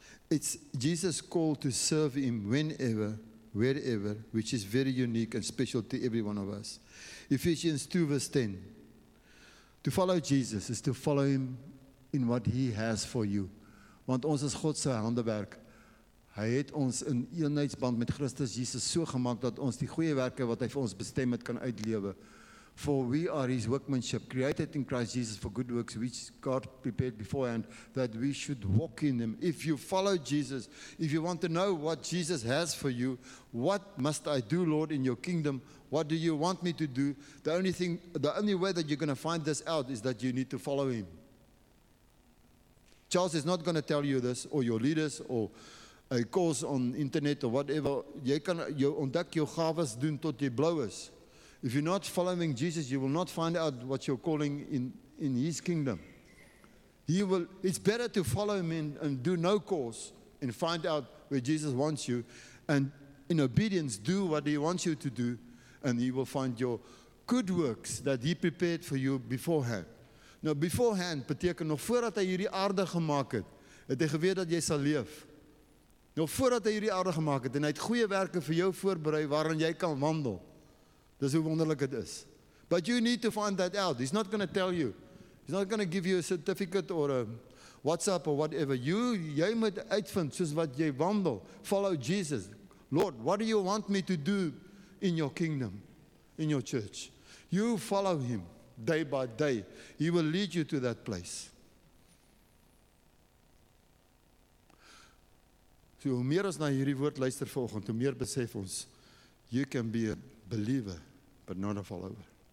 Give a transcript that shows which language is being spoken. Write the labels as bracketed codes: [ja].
[en] It's Jesus' call to serve him whenever, wherever, which is very unique and special to every one of us. Ephesians 2 verse 10. To follow Jesus is to follow him in what he has for you. [af] Want ons is God se handewerk. Hy het ons in eenheidsband met Christus Jesus so gemaakt dat ons die goeie werke wat hy vir ons bestem het kan uitlewe. [en] For we are his workmanship, created in Christ Jesus for good works, which God prepared beforehand, that we should walk in them. If you follow Jesus, if you want to know what Jesus has for you, what must I do, Lord, in your kingdom? What do you want me to do? The only way that you're going to find this out is that you need to follow him. Charles is not going to tell you this, or your leaders, or a course on internet or whatever, [af] jy kan jou ontdek jou gawes doen tot jy blou is. [en] If you're not following Jesus, you will not find out what you're calling in his kingdom. It's better to follow him and do no course and find out where Jesus wants you and in obedience do what he wants you to do and he will find your good works that he prepared for you beforehand. Now beforehand [af] beteken nog voordat hy hierdie aarde gemaak het, het hy geweet dat jy sal leef. Nog voordat hy hierdie aarde gemaak het, en hy het goeie werke vir jou voorberei, waarin jy kan wandel. Dis hoe wonderlik het is. [en] But you need to find that out. He's not going to tell you. He's not going to give you a certificate or a WhatsApp or whatever. [af] Jy moet uitvind soos wat jy wandel. [en] Follow Jesus. Lord, what do you want me to do in your kingdom, in your church? You follow him day by day. He will lead you to that place. [af] So, hoe meer ons na hierdie woord luister vanoggend, hoe meer besef ons, [en] you can be a believer, but not a follower.